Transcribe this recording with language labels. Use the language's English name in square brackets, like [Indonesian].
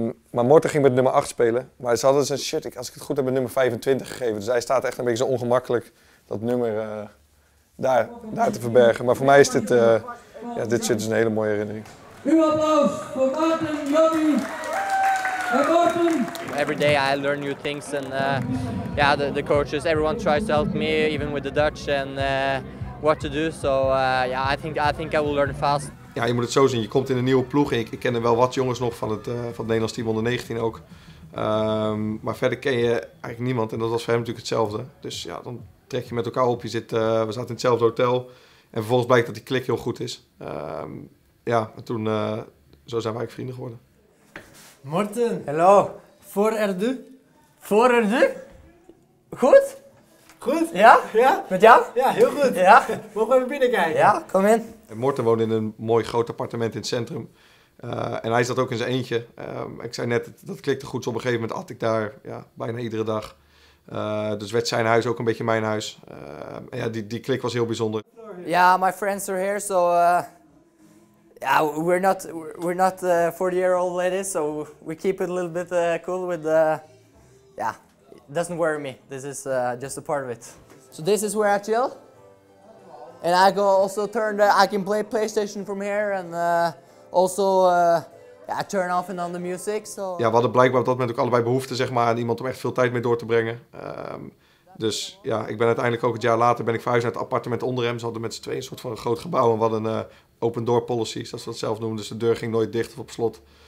[Dutch] Maar Morten ging met nummer 8 spelen, maar ze hadden zijn shirt, als ik het goed heb, nummer 25 gegeven. Dus hij staat echt een beetje zo ongemakkelijk dat nummer daar te verbergen. Maar voor mij is dit shirt is een hele mooie herinnering. Uw applaus voor Martin, Jobby. [English] Every day I learn new things, and yeah, the coaches, everyone tries to help me, even with the Dutch and what to do. So yeah, I think I will learn fast. [Dutch] Ja, je moet het zo zien. Je komt in een nieuwe ploeg. Ik ken er wel wat jongens nog van het Nederlands team onder 19 ook. Maar verder ken je eigenlijk niemand, en dat was voor hem natuurlijk hetzelfde. Dus ja, dan trek je met elkaar op. We zaten in hetzelfde hotel, en vervolgens blijkt dat die klik heel goed is. Zo zijn we eigenlijk vrienden geworden. Morten. Hallo. Voor Erdu. Voor Erdu? Goed? Goed. Ja? Ja. Met jou? Ja, heel goed. Ja. Mogen we even binnenkijken? Ja, kom in. En Morten woont in een mooi groot appartement in het centrum. En hij zat ook in zijn eentje. Ik zei net, dat klikte goed. Op een gegeven moment at ik daar, ja, bijna iedere dag. Dus werd zijn huis ook een beetje mijn huis. En ja, die klik was heel bijzonder. [English] Ja, yeah, my friends are here, so... Yeah, we're not 40-year-old ladies, so we keep it a little bit cool with the... Yeah, it doesn't worry me. This is just a part of it. So this is where I chill. And I go also turn... I can play PlayStation from here, and also Yeah, turn off and on the music. So. [Dutch] Ja, we hadden blijkbaar op dat moment ook allebei behoefte, zeg maar, aan iemand om echt veel tijd mee door te brengen. Dus ja, ik ben uiteindelijk ook het jaar later ben ik verhuisd naar het appartement onder hem. Ze hadden met z'n tweeën een soort van een groot gebouw en we hadden een [English] open door policy, [Dutch] zoals ze dat zelf noemen. Dus de deur ging nooit dicht of op slot.